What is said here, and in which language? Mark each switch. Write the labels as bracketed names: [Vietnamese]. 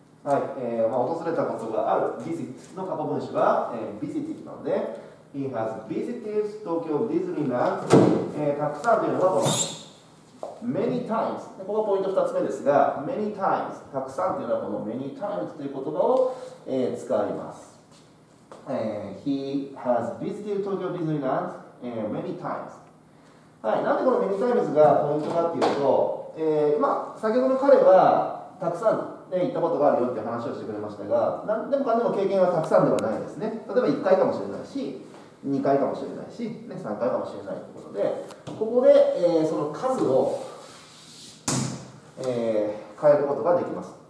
[Japanese] はい、訪れたことがある visit の過去分詞は、visited なので、 [English] He has visited Tokyo Disneyland、 [Japanese] たくさんというのはこの many times、 ここがポイント2つ目ですが、 many times、 たくさんというのはこの many times という言葉を、使います。 [English] He has visited Tokyo Disneyland、many times。 [Japanese] はい、なんでこの many times がポイントかっていうと、まあ、先ほどの彼はたくさんで行ったことがあるよって話をしてくれましたが、何でもかんでも経験はたくさんではないですね。例えば1回かもしれないし、2回かもしれないし、ね、3回かもしれないということで、ここで、その数を、変えることができます。